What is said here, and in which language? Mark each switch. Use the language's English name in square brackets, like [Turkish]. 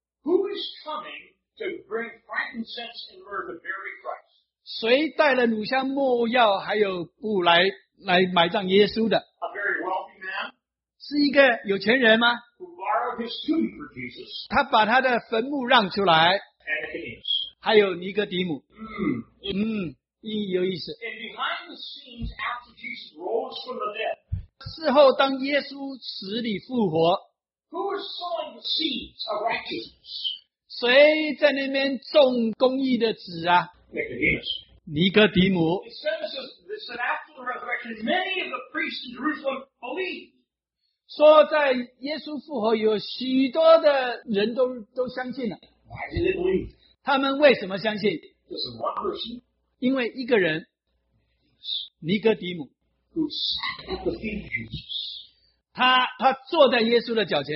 [English] Who is coming to bring frankincense and myrrh to bury Christ? [Chinese] 谁带了乳香末药还有布来埋葬耶稣的 [English] A very wealthy man, [Chinese] 是一个有钱人吗 [English] who borrowed his tomb for Jesus, [Chinese] 他把他的坟墓让出来 [English] and Nicodemus. [Chinese] 还有尼哥底母、有意思 [English] and behind the scenes after Jesus rose from the dead, [Chinese] 事后当耶稣死里复活 [English] who is sowing the seeds of righteousness? [Chinese] 谁在那边种公义的籽啊尼哥底母。 [English] It says that after the resurrection, many of the priests in Jerusalem believed. [Chinese] 说在耶稣复活有许多的人 都相信了。 [English] Why did they believe? [Chinese] 他们为什么相信？ [English] Just one person. [Chinese] 因为一个人，尼哥底母。 [English] Who sat at the feet of Jesus. [Chinese] 他坐在耶稣的脚前。